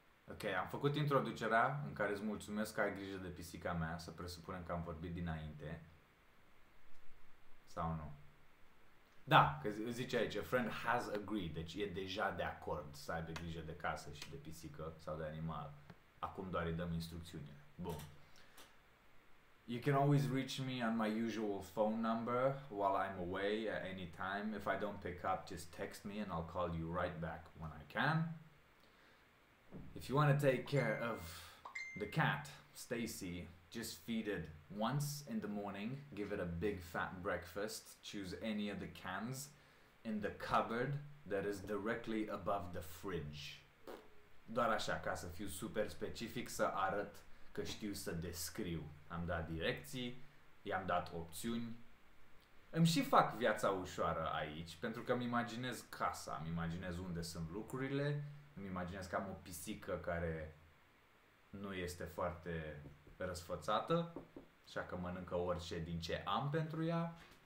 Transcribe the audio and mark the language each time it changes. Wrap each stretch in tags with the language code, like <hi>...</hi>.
<ro>Ok, am făcut introducerea în care îți mulțumesc că ai grijă de pisica mea, să presupunem că am vorbit dinainte. Sau nu? Da, că zice aici,</ro> <en>a friend has agreed,</en> <ro>deci e deja de acord să aibă grijă de casă și de pisică sau de animal. Acum doar îi dăm instrucțiunile. Bun.</ro> <en>You can always reach me on my usual phone number while I'm away at any time. If I don't pick up, just text me and I'll call you right back when I can. If you want to take care of the cat, Stacy, just feed it once in the morning. Give it a big fat breakfast. Choose any of the cans in the cupboard that is directly above the fridge.</en> <ro>Doar așa, ca să fiu super specific, să arăt că știu să descriu. Am dat direcții, i-am dat opțiuni. Îmi și fac viața ușoară aici, pentru că îmi imaginez casa, îmi imaginez unde sunt lucrurile. Îmi imaginez că am o pisică care nu este foarte răsfățată, așa că mănâncă orice din ce am pentru ea.</ro>